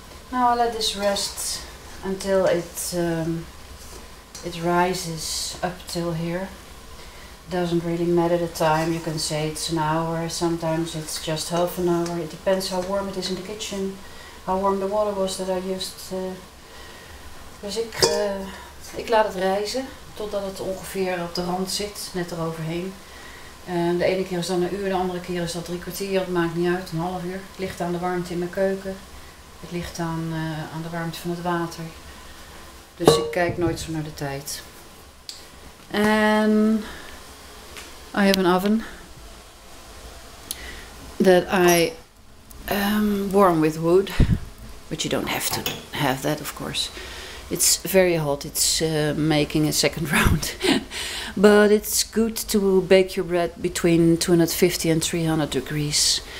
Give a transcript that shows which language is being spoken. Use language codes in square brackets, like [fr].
[en] Now I'll let this rest until it rises up till here. Doesn't really matter the time, you can say it's an hour, sometimes it's just half an hour. It depends how warm it is in the kitchen, how warm the water was that I used. [nl] Dus ik laat het rijzen totdat het ongeveer op de rand zit, net eroverheen. De ene keer is dan een uur, de andere keer is dat drie kwartier, het maakt niet uit, een half uur. Het ligt aan de warmte in mijn keuken. Het ligt aan de warmte van het water. Dus ik kijk nooit zo naar de tijd. [en] En I have an oven that I warm with wood. But you don't have to have that, of course. It's very hot. It's making a second round. But it's good to bake your bread between 250 and 300 degrees.